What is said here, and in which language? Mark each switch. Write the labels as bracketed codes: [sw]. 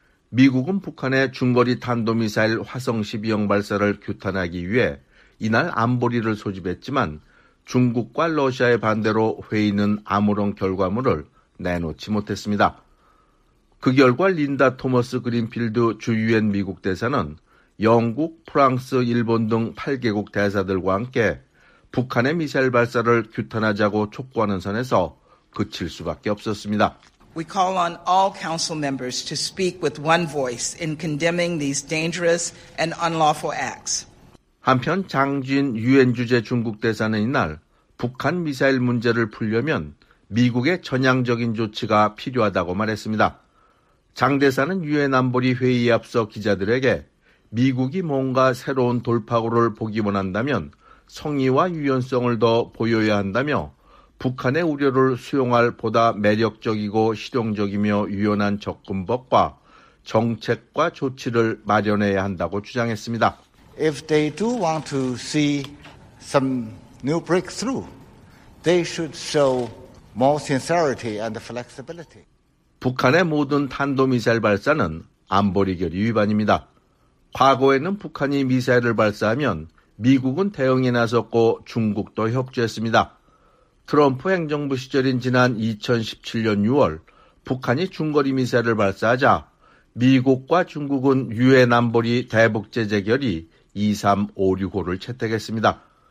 [ko] 미국은 북한의 중거리 탄도미사일 화성 12형 발사를 규탄하기 위해 이날 안보리를 소집했지만 중국과 러시아의 반대로 회의는 아무런 결과물을 내놓지 못했습니다. 그 결과 린다 토머스 그린필드 주 유엔 미국 대사는 영국, 프랑스, 일본 등 8개국 대사들과 함께 북한의 미사일 발사를 규탄하자고 촉구하는 선에서 그칠 수밖에 없었습니다. [en] We call on all council members to speak with one voice in condemning these dangerous and unlawful acts. [ko] 한편 장진 유엔 주재 중국 대사는 이날 북한 미사일 문제를 풀려면 미국의 전향적인 조치가 필요하다고 말했습니다. 장 대사는 유엔 안보리 회의에 앞서 기자들에게 미국이 뭔가 새로운 돌파구를 보기 원한다면 성의와 유연성을 더 보여야 한다며 북한의 우려를 수용할 보다 매력적이고 실용적이며 유연한 접근법과 정책과 조치를 마련해야 한다고 주장했습니다. [en] If they do want to see some new breakthrough, they should show more sincerity and flexibility. [ko] 북한의 모든 탄도미사일 발사는 안보리 결의 위반입니다. 과거에는 북한이 미사일을 발사하면 미국은 대응에 나섰고 중국도 협조했습니다. 트럼프 행정부 시절인 지난 2017년 6월 북한이 중거리 미사일을 발사하자 미국과 중국은 유엔 안보리 대북제재 결의 2356호를 채택했습니다.